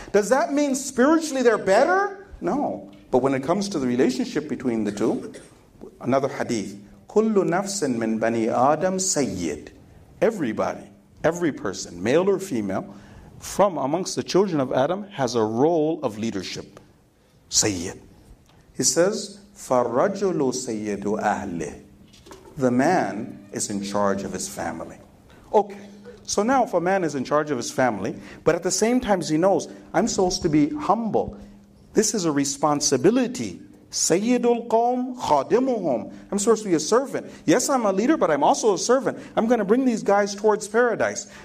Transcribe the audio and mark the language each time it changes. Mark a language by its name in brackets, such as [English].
[English] Does that mean spiritually they're better? No. But when it comes to the relationship between the two, another hadith. [Arabic] Kullu nafsin min bani Adam sayyid. [English] Everybody, every person, male or female, from amongst the children of Adam, has a role of leadership. Sayyid. He says, [Arabic] فَالرَّجُلُ سَيِّدُ أَهْلِهِ. [English] The man is in charge of his family. Okay, so now if a man is in charge of his family, but at the same time he knows, I'm supposed to be humble. This is a responsibility. [Arabic] Sayyidul qawm khadimuhum. [English] I'm supposed to be a servant. Yes, I'm a leader, but I'm also a servant. I'm going to bring these guys towards paradise.